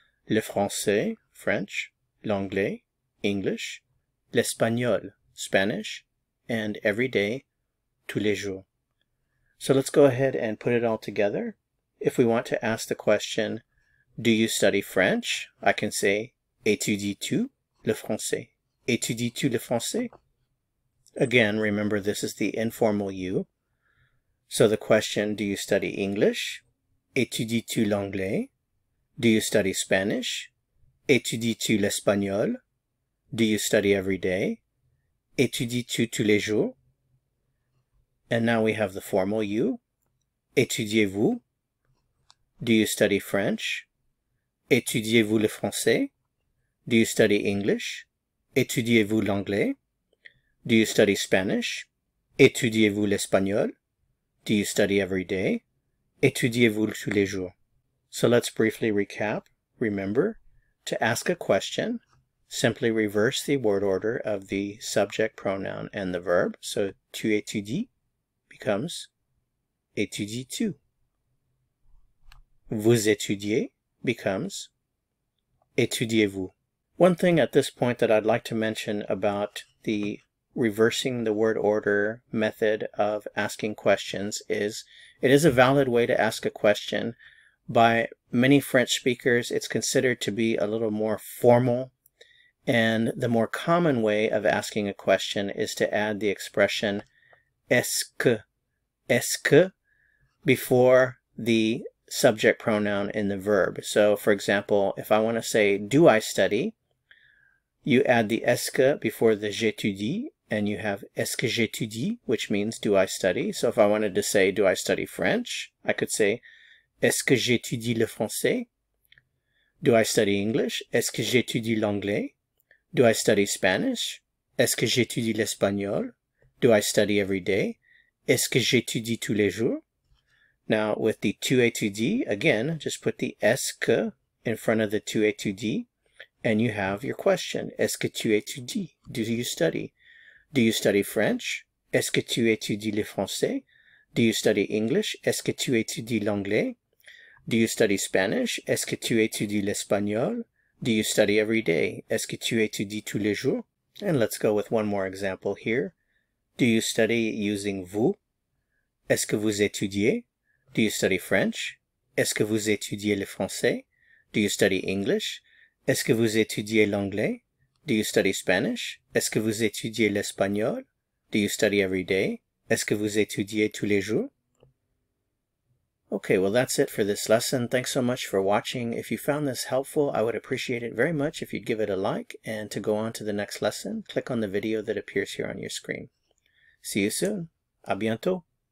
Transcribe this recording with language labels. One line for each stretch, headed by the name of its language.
French: Le français, French, l'anglais, English, l'espagnol, Spanish,
English: and every day,
French: tous les jours.
English: So let's go ahead and put it all together. If we want to ask the question, do you study French? I can say,
French: étudies-tu le français? Étudies-tu le français?
English: Again, remember this is the informal you. So the question, do you study English?
French: Étudies-tu l'anglais?
English: Do you study Spanish?
French: Étudies-tu l'espagnol?
English: Do you study every day?
French: Étudies-tu tous les jours?
English: And now we have the formal you.
French: Étudiez-vous?
English: Do you study French?
French: Étudiez-vous le français?
English: Do you study English?
French: Étudiez-vous l'anglais?
English: Do you study Spanish?
French: Étudiez-vous l'espagnol?
English: Do you study every day?
French: Étudiez-vous tous les jours?
English: So let's briefly recap. Remember, to ask a question, simply reverse the word order of the subject pronoun and the verb. So
French: tu étudies
English: becomes
French: étudies-tu. Vous étudiez
English: becomes
French: étudiez-vous.
English: One thing at this point that I'd like to mention about the reversing the word order method of asking questions is it is a valid way to ask a question. By many French speakers, it's considered to be a little more formal. And the more common way of asking a question is to add the expression
French: est-ce que
English: before the subject pronoun in the verb. So for example, if I want to say, do I study? You add the est-ce que before the j'étudie, and you have
French: est-ce que j'étudie,
English: which means do I study. So if I wanted to say, do I study French? I could say,
French: est-ce que j'étudie le français?
English: Do I study English?
French: Est-ce que j'étudie l'anglais?
English: Do I study Spanish?
French: Est-ce que j'étudie l'espagnol?
English: Do I study every day?
French: Est-ce que j'étudie tous les jours?
English: Now, with the
French: tu étudies,
English: again, just put the est-ce que in front of the tu étudies, and you have your question.
French: Est-ce que tu étudies?
English: Do you study? Do you study French?
French: Est-ce que tu étudies le français?
English: Do you study English?
French: Est-ce que tu étudies l'anglais?
English: Do you study Spanish?
French: Est-ce que tu étudies l'espagnol?
English: Do you study every day?
French: Est-ce que tu étudies tous les jours?
English: And let's go with one more example here. Do you study using vous?
French: Est-ce que vous étudiez?
English: Do you study French?
French: Est-ce que vous étudiez le français?
English: Do you study English?
French: Est-ce que vous étudiez l'anglais?
English: Do you study Spanish?
French: Est-ce que vous étudiez l'espagnol? Do you study every day? Est-ce que vous étudiez tous les jours?
English: Okay, well, that's it for this lesson. Thanks so much for watching. If you found this helpful, I would appreciate it very much if you'd give it a like. And to go on to the next lesson, click on the video that appears here on your screen. See you soon.
French: À bientôt.